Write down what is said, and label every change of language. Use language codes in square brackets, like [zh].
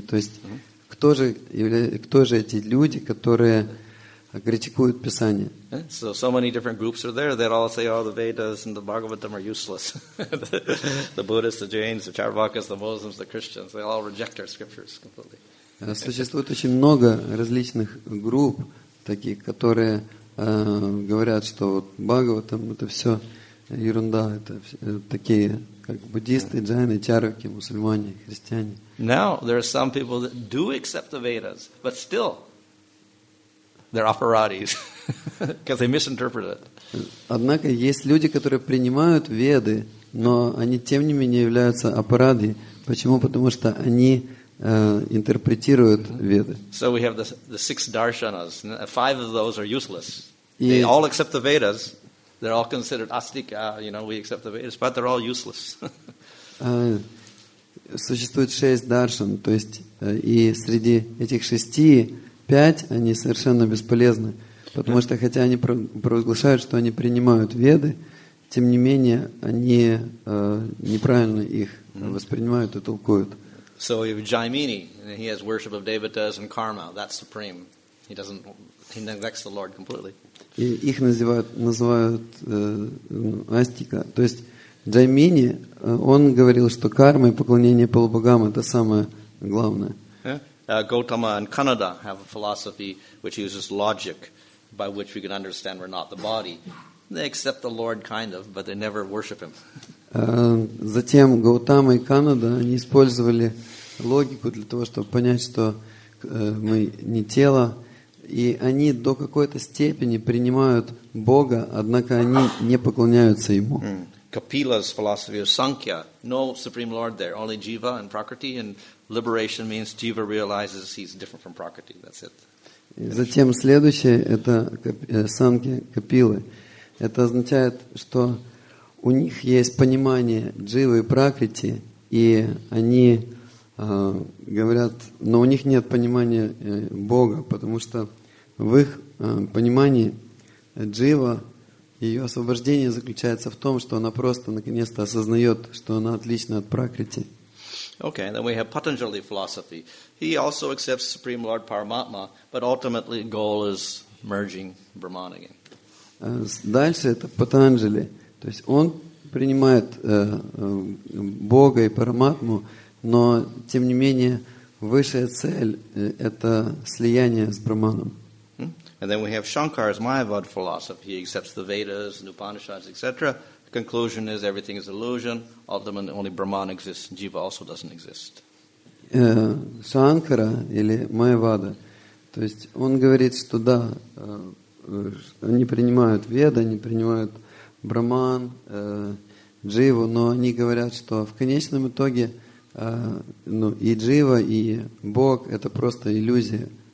[ru] То есть, кто же эти люди, которые критикуют Писание. [en] So many different groups are there that all say, the Vedas and the Bhagavatam are useless. the Buddhists, the Jains, the Charvakas, the Muslims, the Christians, they all reject our scriptures completely. [ru] Существует очень много различных групп, таких, которые говорят, что Бхагаватам это все ерунда, это такие, как буддисты, джайны, чарваки, мусульмане, христиане. [en] Now, there are some people that do accept the Vedas, but still, they're aparadis because they misinterpret it. [ru] Однако есть люди, которые принимают веды, но они тем не менее являются аппаради. Почему? Потому что они интерпретируют веды. [en] So we have the six darshanas. Five of those are useless. They all accept the Vedas. They're all considered astika. You know, we accept the Vedas, but they're all useless. [ru] Существует шесть даршан, то есть и среди этих шести пять, они совершенно бесполезны, потому что хотя они провозглашают, что они принимают веды, тем не менее они неправильно их воспринимают и толкуют. [en] So if Jaimini, he has worship of devatas and karma, that's supreme. He neglects the Lord completely. [ru] И их называют астика. То есть Джаймини, он говорил, что карма и поклонение полубогам это самое главное. [en] Gautama and Kanada have a philosophy which uses logic by which we can understand we're not the body. They accept the Lord kind of, but they never worship him. [ru] Затем Гаутама и Канада они использовали логику для того, чтобы понять, что мы не тело, и они до какой-то степени принимают Бога, однако они не поклоняются ему. [en] Kapila's philosophy of Sankhya, no supreme lord there, only jiva and prakriti, and liberation means jiva realizes he's different from prakriti. That's it. [ru] Затем следующее это Санки Капилы. Это означает, что у них есть понимание дживы и пракрити, и они говорят, но у них нет понимания Бога, потому что в их понимании джива, ее освобождение заключается в том, что она просто наконец-то осознает, что она отлична от пракрити. [en] Okay, then we have Patanjali philosophy. He also accepts Supreme Lord Paramatma, but ultimately goal is merging Brahman again. [ru] Дальше это Патанджали. То есть он принимает Бога и Параматму, но тем не менее высшая цель это слияние с Брахманом. [en] And then we have Shankara's Mayavada philosophy. He accepts the Vedas, the Upanishads, etc. Conclusion is everything is illusion. Ultimately, only Brahman exists. Jiva also doesn't exist. [ru] Шанкара или Майявада, то есть он говорит, что да, они принимают Веды, они принимают Брахман, Дживу, но они говорят, что в конечном итоге, ну и Джива, и Бог это просто иллюзия.